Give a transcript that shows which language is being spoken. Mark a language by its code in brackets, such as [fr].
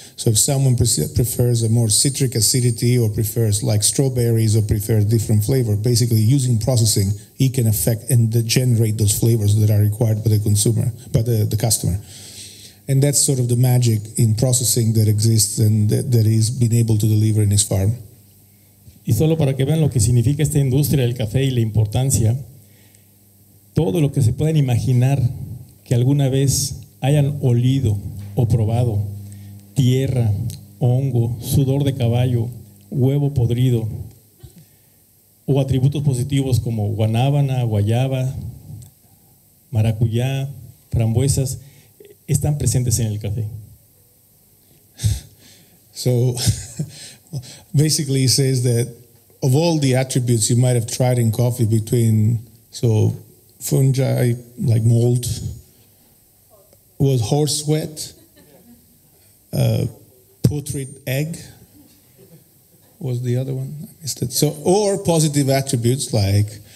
[en] So if someone prefers a more citric acidity, or prefers like strawberries, or prefers different flavor, basically using processing, he can affect and generate those flavors that are required by the consumer, by the customer. And that's sort of the magic in processing that exists and that he's been able to deliver in his farm. [es] Y solo para que vean lo que significa esta industria del café y la importancia, todo lo que se pueden imaginar que alguna vez hayan olido o probado, tierra, hongo, sudor de caballo, huevo podrido, o atributos positivos como guanábana, guayaba, maracuyá, frambuesas, están presentes en el café. [en] So, basically he says that of all the attributes you might have tried in coffee, between, so fungi, like mold, was horse sweat, putrid egg, was the other one, I missed it. So, or positive attributes like